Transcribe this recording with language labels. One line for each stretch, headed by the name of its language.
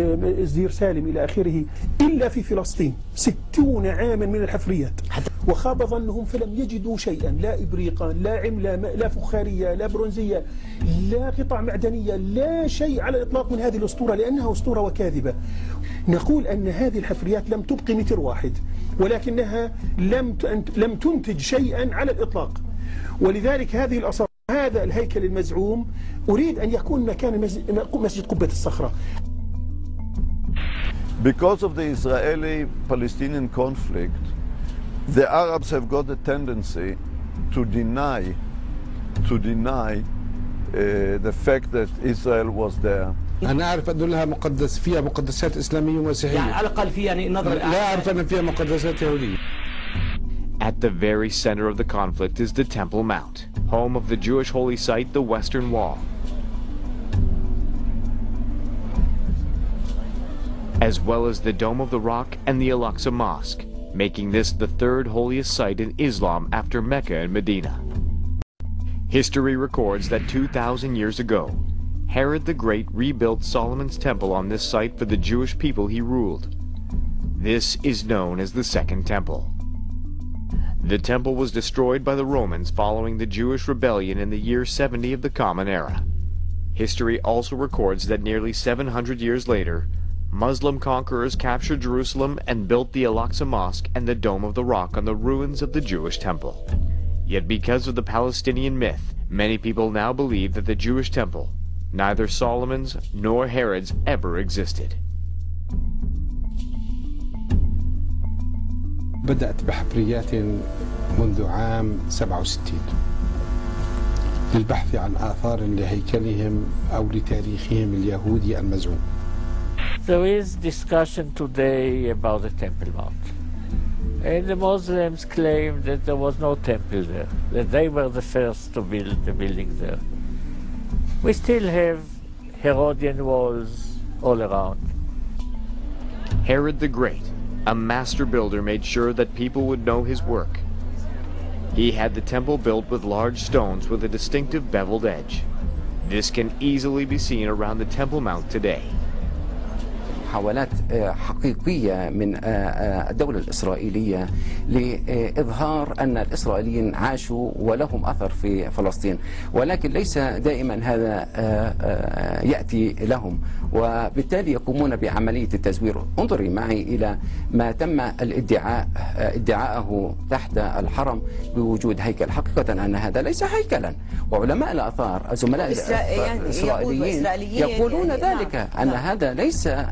Arabic: الزير سالم إلى آخره إلا في فلسطين 60 عاما من الحفريات وخاب ظنهم فلم يجدوا شيئا لا إبريقا لا عملة لا فخارية لا برونزية لا قطع معدنية لا شيء على الإطلاق من هذه الأسطورة لأنها أسطورة وكاذبة نقول أن هذه الحفريات لم تبقي متر واحد ولكنها لم تنتج شيئا على الإطلاق ولذلك هذه الأسطورة هذا الهيكل المزعوم أريد أن يكون مكان مسجد قبة الصخرة
English: Because of the Israeli-Palestinian conflict, the Arabs have got a tendency to deny the fact that Israel was there.
Arabic: أنا أعرف أن لها مقدس فيها مقدسات إسلامية ومسيحية. على الأقل فيها نظرة. لا أعرف أن فيها مقدسات يهودية.
English: At the very center of the conflict is the Temple Mount, home of the Jewish holy site, the Western Wall. As well as the Dome of the Rock and the Al-Aqsa Mosque, making this the third holiest site in Islam after Mecca and Medina. History records that 2,000 years ago, Herod the Great rebuilt Solomon's Temple on this site for the Jewish people he ruled. This is known as the Second Temple. The temple was destroyed by the Romans following the Jewish rebellion in the year 70 of the Common Era. History also records that nearly 700 years later, Muslim conquerors captured Jerusalem and built the Al-Aqsa Mosque and the Dome of the Rock on the ruins of the Jewish temple. Yet because of the Palestinian myth, many people now believe that the Jewish temple, neither Solomon's nor Herod's, ever existed.
Arabic: بدأت بحفريات منذ عام 67 للبحث عن آثار لهيكلهم أو لتاريخهم اليهودي المزعوم.
English: There is discussion today about the Temple Mount. And the Muslims claim that there was no temple there, that they were the first to build the building there. We still have Herodian walls all around. Herod the Great, a master builder, made sure that people would know his work. He had the temple built with large stones with a distinctive beveled edge. This can easily be seen around the Temple Mount today.
Arabic: محاولات حقيقية من الدولة الإسرائيلية لإظهار أن الإسرائيليين عاشوا ولهم أثر في فلسطين ولكن ليس دائما هذا يأتي لهم وبالتالي يقومون بعملية التزوير انظري معي إلى ما تم ادعاءه تحت الحرم بوجود هيكل حقيقة أن هذا ليس هيكلا وعلماء الآثار الزملاء الإسرائيليين يقولون ذلك أن هذا ليس